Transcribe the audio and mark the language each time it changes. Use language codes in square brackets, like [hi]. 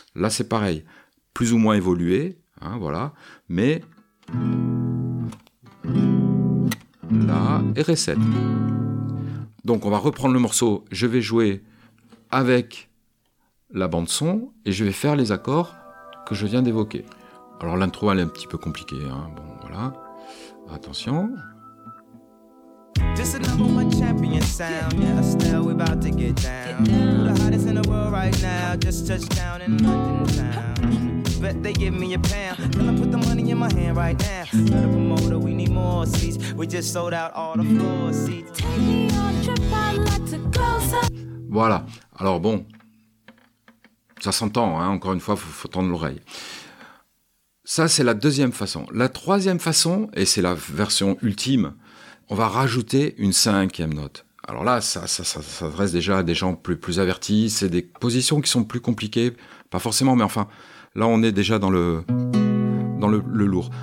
[fr] Là, c'est pareil, plus ou moins évolué, hein, voilà. Mais là, et ré 7. Donc, on va reprendre le morceau. Je vais jouer avec la bande son et je vais faire les accords que je viens d'évoquer. Alors, l'intro, elle est un petit peu compliquée. Hein. Bon, voilà. Attention. [en] This is number one champion sound. Yeah, still we about to get down. The hottest in the world right now. Just touched down in London town. Bet they give me a pound. Gonna put the money in my hand right now. Got a promoter, we need more seats. We just sold out all the floor seats. Take me on a trip, I'd like to go some. [fr] Voilà. Alors bon. Ça s'entend, hein. Encore une fois, faut tendre l'oreille. Ça, c'est la deuxième façon. La troisième façon, et c'est la version ultime, on va rajouter une cinquième note. Alors là, ça s'adresse déjà à des gens plus avertis, c'est des positions qui sont plus compliquées, pas forcément, mais enfin, là, on est déjà dans le lourd.